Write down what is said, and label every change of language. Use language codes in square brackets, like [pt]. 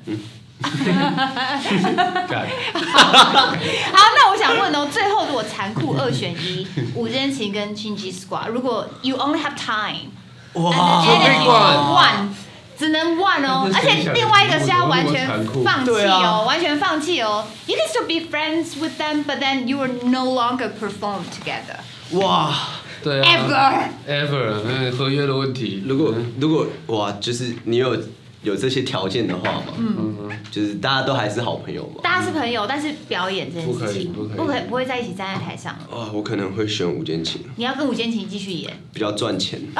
[zh] 嗯，好，那我想问哦，最后如果残酷二选一，吴建勤跟 Chingy Squad， 如果 [en] You Only Have Time， [zh] 哇，只能 one。只能 one 哦，而且另外一个是要完全放弃哦，完全放弃哦。 [en] You can still be friends with them, but then you will no longer perform together. [zh] 哇，对啊 [en] ，ever， [zh] 合约的问题。如果哇，就是你有这些条件的话嘛，嗯，就是大家都还是好朋友嘛。大家是朋友，但是表演这件事情不可以不会在一起站在台上。哇，我可能会选吴建勤。你要跟吴建勤继续演，比较赚钱。